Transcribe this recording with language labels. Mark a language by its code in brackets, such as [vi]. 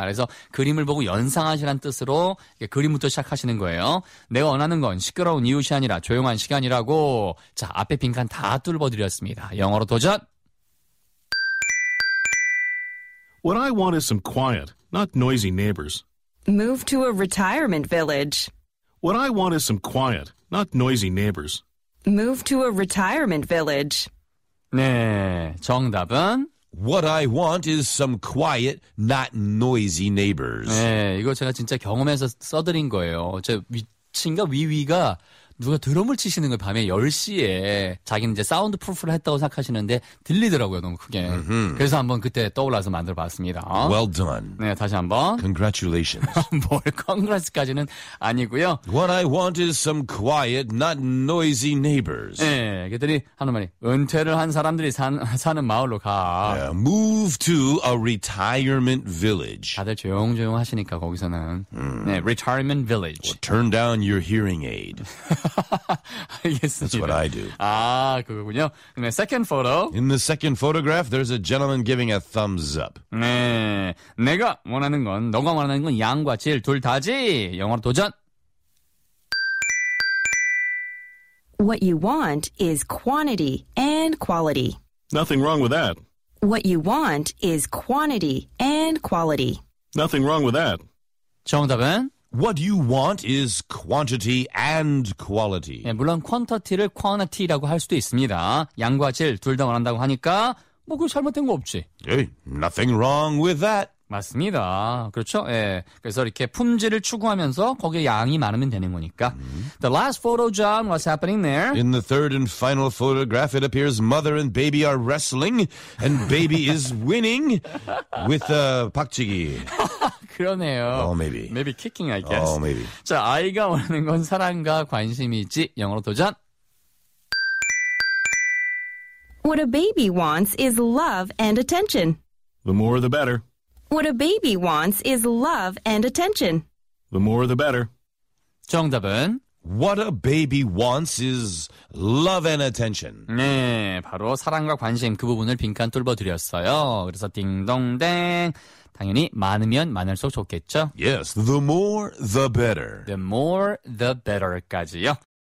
[ko] 그래서 그림을 보고 연상하시라는 뜻으로 그림부터 시작하시는 거예요. 내가 원하는 건 시끄러운 이웃이 아니라 조용한 시간이라고. 자, 앞에 빈칸 다 뚫어드렸습니다. 영어로 도전! [en] What I want is some quiet, not noisy neighbors. Move to a retirement village. What I want is some quiet, not noisy neighbors. Move to a retirement village. [ko] 네, 정답은? [en] What I want is some quiet, not noisy neighbors. [ko] 네, 이거 제가 진짜 경험해서 써드린 거예요. 제 위층과 위위가 누가 드럼을 치시는 거 밤에 10시에 자기는 이제 사운드 프루프를 했다고 생각하시는데 들리더라고요 너무 크게. Mm-hmm. 그래서 한번 그때 떠올라서 만들어봤습니다. [en] Well done. [ko] 네 다시 한번. [en] Congratulations. [ko] 뭘 congrats까지는 아니고요. [en] What I want is some quiet, not noisy neighbors. [ko] 네, 그들이 하는 말이 은퇴를 한 사람들이 사는 마을로 가. [en] Yeah, move to a retirement village. [ko] 다들 조용조용 하시니까 거기서는. [en] Mm. 네, retirement village. Well, turn down your hearing aid. [ko] 알겠습니다. [en] That's what I do. [ko] 아, 그거군요. 네, [en] second photo. In the second photograph, there's a gentleman giving a thumbs up. [ko] 네, 내가 원하는 건, 너가 원하는 건 양과 질 둘 다지. 영어로 도전. [en] What you want is quantity and quality. Nothing wrong with that. What you want is quantity and quality. Nothing wrong with that. [ko] 정답은? [en] What you want is quantity and quality. [ko] 네, 물론 quantity를 quantity라고 할 수도 있습니다. 양과 질 둘 다 원한다고 하니까 뭐 그 잘못된 거 없지. [en] Hey, nothing wrong with that. [ko] 맞습니다. 그렇죠? 예. 네, 그래서 이렇게 품질을 추구하면서 거기에 양이 많으면 되는 거니까. Mm-hmm. [en] The last photo, John, what's happening there? In the third and final photograph, it appears mother and baby are wrestling and baby is winning with a 박치기. [ko] 그러네요. [en] Oh, maybe. Maybe kicking, I guess. Oh, maybe. [ko] 자, 아이가 원하는 건 사랑과 관심이지. 영어로 도전. [en] What a baby wants is love and attention. The more the better. What a baby wants is love and attention. The more the better. [ko] 정답은? [en] What a baby wants is love and attention. [ko] 네, 바로 사랑과 관심 그 부분을 빈칸 뚫어드렸어요. 그래서 딩동댕. 당연히 많으면 많을수록 좋겠죠. [en] Yes, the more the better. The more the better까지요.